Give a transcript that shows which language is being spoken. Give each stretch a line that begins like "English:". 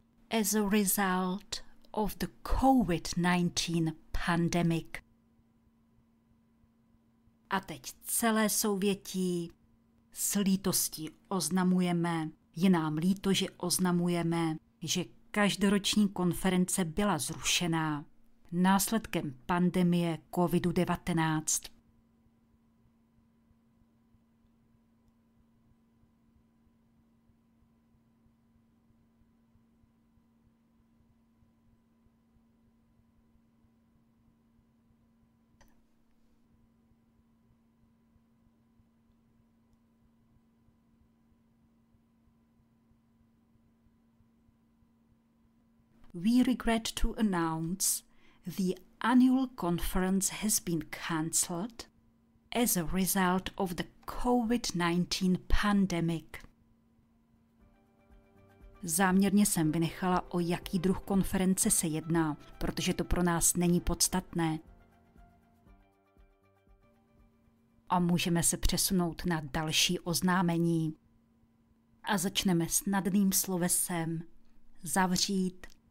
English: As a result of the COVID-19 pandemic.
Czech: A teď celé souvětí. S lítostí oznamujeme, je nám líto, že oznamujeme, že každoroční konference byla zrušená následkem pandemie COVID-19.
English: We regret to announce the annual conference has been cancelled as a result of the COVID-19 pandemic.
Czech: Záměrně jsem vynechala, o jaký druh konference se jedná, protože to pro nás není podstatné. A můžeme se přesunout na další oznámení. A začneme snadným slovesem zavřít.